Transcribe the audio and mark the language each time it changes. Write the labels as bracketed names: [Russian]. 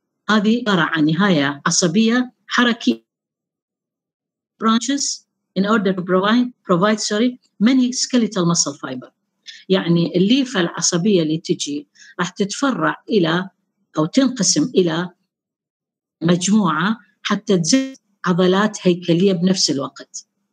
[Arabic] هذه عبارة عن نهاية عصبية حركية. [English] Branches in order to provide many skeletal muscle fiber. [Arabic] يعني الليفة العصبية اللي تجي راح تتفرع إلى أو تنقسم إلى مجموعة حتى تزيد عضلات هيكلية بنفس الوقت.